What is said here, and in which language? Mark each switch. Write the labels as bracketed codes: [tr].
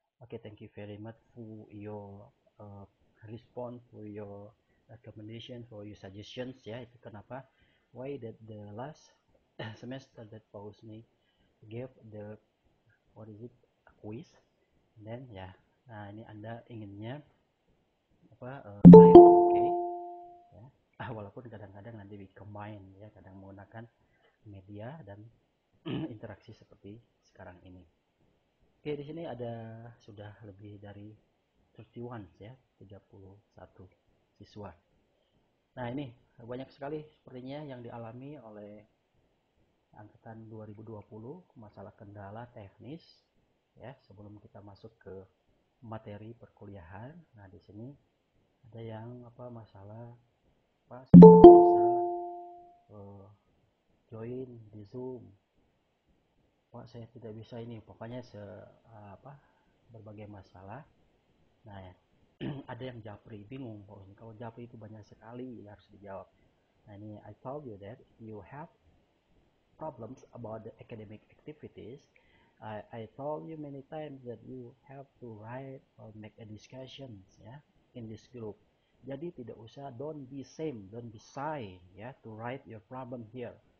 [en] Okay, thank you very much for your response, for your recommendation, for your suggestions ya. [id] Itu kenapa [en] why that the last semester that Pak Husni gave the what is it a quiz, and then ya, yeah. [id] Nah ini Anda inginnya apa live, okay, ya, yeah. Walaupun kadang-kadang nanti [en] we combine [id] ya, yeah, kadang menggunakan media dan interaksi seperti sekarang ini. Oke, okay, di sini ada sudah lebih dari 31 ya, 31 siswa. Nah ini banyak sekali sepertinya yang dialami oleh angkatan 2020, masalah kendala teknis ya, sebelum kita masuk ke materi perkuliahan. Nah di sini ada yang apa masalah apa bisa join di Zoom, Pak saya tidak bisa ini, pokoknya apa berbagai masalah. Nah ya. Ada yang japri, bingung kalau japri itu banyak sekali ya, harus dijawab. Nah ini [en] I told you that you have problems about the academic activities. I told you many times that you have to write or make a discussion ya, in this group. [id] Jadi tidak usah, [en] don't be same, don't be shy ya, to write your problem here.